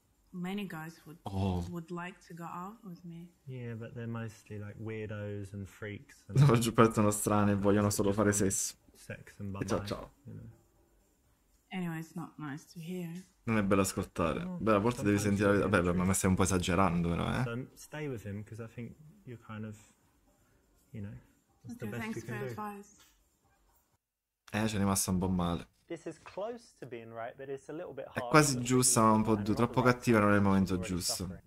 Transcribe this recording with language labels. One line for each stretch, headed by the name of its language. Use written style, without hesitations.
English: Many guys would like to go out with me. Yeah, but they're mostly like weirdos and freaks.
Italian: La maggior parte sono strane e vogliono solo fare sesso.
English: Sex and bye-bye.
Italian: E ciao, ciao.
English: Anyway, it's not nice to hear.
Italian: Non è bello ascoltare. Beh, a volte devi sentire... Beh, ma stai un po' esagerando, però, eh?
English: Stay with him, because I think you're kind of, you know, the best you can do.
Italian: Ci è rimasto un po' male.
English: This is close to being right, but it's a little bit hard.
Italian: È quasi giusta, ma un po' troppo cattiva, non è il momento giusto.